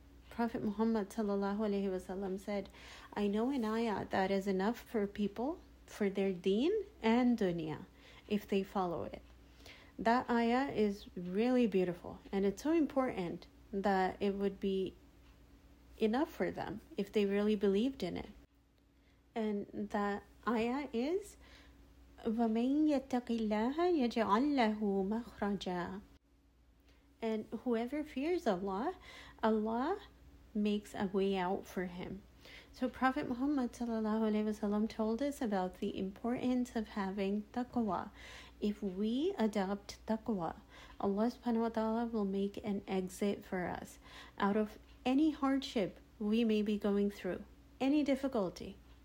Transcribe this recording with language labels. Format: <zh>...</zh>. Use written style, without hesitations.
<en>Prophet Muhammad sallallahu alayhi wa sallam said, I know an ayah that is enough for people, for their deen and dunya, if they follow it. That ayah is really beautiful, and it's so important that it would be enough for them if they really believed in it. And that ayah is,</en> <ar>وَمَنْ يَتَّقِ اللَّهَ يَجْعَلْ لَهُ مَخْرَجًا,</ar> <en>And whoever fears Allah, Allah makes a way out for him. So Prophet Muhammad sallallahu alaihi wasallam told us about the importance of having taqwa. If we adopt taqwa, Allah subhanahu wa ta'ala will make an exit for us out of any hardship we may be going through, any difficulty.</en>